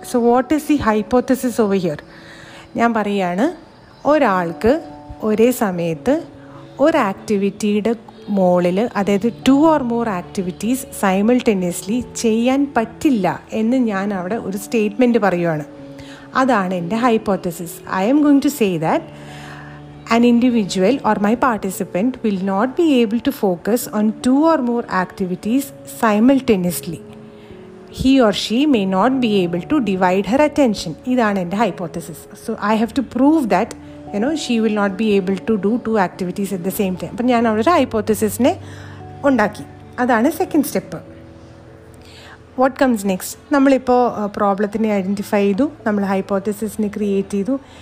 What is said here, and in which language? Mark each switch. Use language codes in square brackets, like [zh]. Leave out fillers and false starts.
[en] So what is the hypothesis over here? [ml] ഞാൻ പറയുകയാണ്, ഒരാൾക്ക് ഒരേ സമയത്ത് ഒരു ആക്ടിവിറ്റിയുടെ മോളിൽ, അതായത് [en] two or more activities simultaneously [ml] ചെയ്യാൻ പറ്റില്ല എന്ന് ഞാൻ അവിടെ ഒരു സ്റ്റേറ്റ്മെൻറ്റ് പറയുകയാണ്. അതാണ് എൻ്റെ hypothesis. [en] I'm going to say that an individual or my participant will not be able to focus on two or more activities simultaneously. He or she may not be able to divide her attention. [ml] ഇതാണ് എൻ്റെ hypothesis. [en] So I have to prove that you know she will not be able to do two activities at the same time. [ml] അപ്പം ഞാൻ അവിടെ ഒരു ഹൈപ്പോത്തസിസിനെ ഉണ്ടാക്കി. അതാണ് second step. [en] What comes next? [ml] നമ്മളിപ്പോൾ പ്രോബ്ലത്തിനെ identify ചെയ്തു, നമ്മൾ ഹൈപ്പോത്തസിസിനെ ക്രിയേറ്റ് ചെയ്തു.